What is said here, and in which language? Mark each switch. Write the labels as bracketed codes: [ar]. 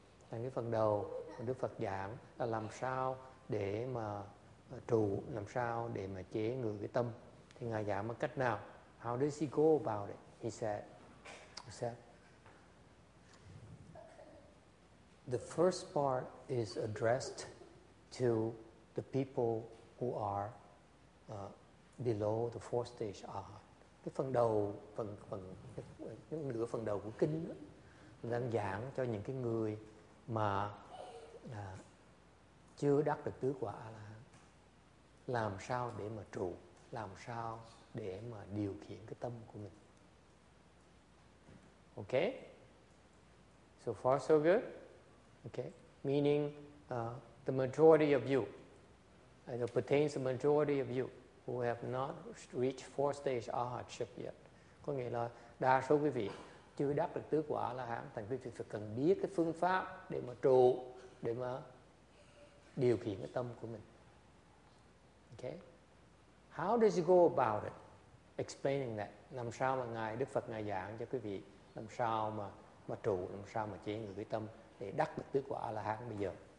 [vi] Thành cái phần đầu Đức Phật giảng là làm sao để mà trụ, làm sao để mà chế ngự cái tâm. Thì Ngài giảng bằng cách nào? [en] How does he go about it? He said, the first part is addressed to the people who are below the four stage arhat. [vi] Cái phần đầu, phần nửa phần đầu của kinh đó, đang giảng cho những cái người mà chưa đắc được tứ quả là làm sao để mà trụ, làm sao để mà điều khiển cái tâm của mình. [en] Okay? So far so good? Okay? Meaning the majority of you, and it pertains to the majority of you who have not reached four stage arhatship yet. [vi] Có nghĩa là đa số quý vị chưa đắc được tứ quả là hãng, thành quý vị phải cần biết cái phương pháp để mà trụ, để mà điều khiển cái tâm của mình. [en] Okay? How does you go about it? explaining that [vi] làm sao mà ngài Đức Phật ngài giảng cho quý vị làm sao mà trụ làm sao mà chế ngự cái tâm để đắc được tước quả A La Hán bây giờ.